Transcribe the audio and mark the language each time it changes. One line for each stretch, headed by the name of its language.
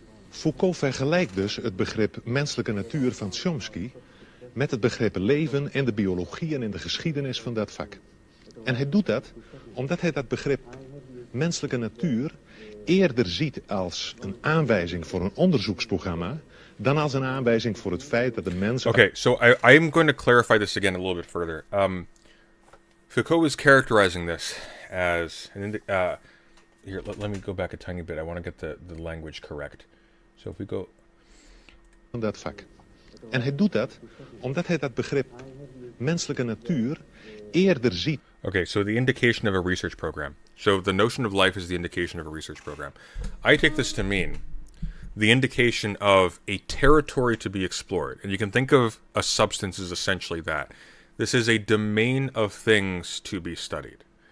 Dutch: Foucault vergelijkt dus het begrip menselijke natuur van Chomsky met het begrip leven in de biologie en in de geschiedenis van dat vak. En hij doet dat omdat hij dat begrip menselijke natuur eerder ziet als een aanwijzing voor een onderzoeksprogramma dan als een aanwijzing voor het feit dat de mens...
English: Okay, so I'm going to clarify this again a little bit further. Foucault is characterizing this as... Let me go back a tiny bit. I want to get the language correct. So if we go...
Dutch: ...van dat vak. En hij doet dat omdat hij dat begrip menselijke natuur eerder ziet...
English: Okay, so the indication of a research program. So the notion of life is the indication of a research program. I take this to mean the indication of a territory to be explored. And you can think of a substance as essentially that. This is a domain of things to be studied.